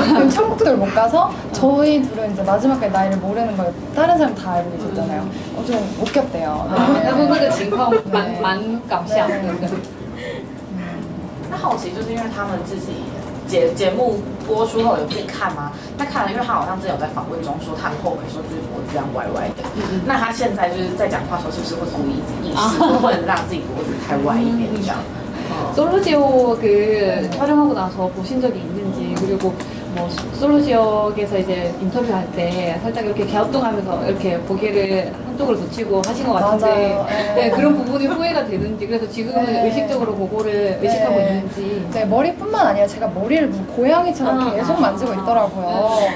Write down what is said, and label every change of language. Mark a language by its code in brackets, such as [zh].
[ko] 천국들 못 가서 저희 둘은 이제 마지막에 나이를 모르는 걸 다른 사람 다 알고 계셨잖아요. 엄청 웃겼대요. [zh] 那部那个情况蛮搞笑的。那好奇就是因为他们自己。节目播出后有去看吗？他看了，因为他好像之前有在访问中说他很后悔，说就是脖子这样歪歪的。那他现在就是在讲话的时候，是不是会故意意识，不能让自己脖子太歪一点这样？ [ko] 솔로지오그 촬영하고 나서 보신 적이 있는지 그리고 뭐 솔로지오에서 이제 인터뷰할 때 살짝 이렇게 갸우뚱하면서 이렇게 고개를 한쪽을 붙이고 하신 것 같은데 네, 그런 부분이 후회가 되는지 그래서 지금은 네. 의식적으로 그거를 네. 의식하고 있는지 네 머리뿐만 아니라 제가 머리를 무슨 고양이처럼 계속 만지고 있더라고요.